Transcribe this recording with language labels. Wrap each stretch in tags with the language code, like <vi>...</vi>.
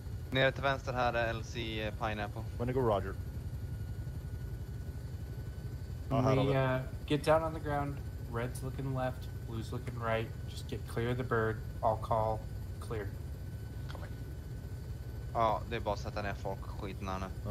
<sv>Nere till vänster här är LC Pineapple.</sv> <en>When you go, roger. Get down on the ground, red's looking left, blue's looking right, just get clear of the bird, I'll call, clear.</en> <sv>Ja, oh, det är bara att sätta ner folk skiten här nu.</sv>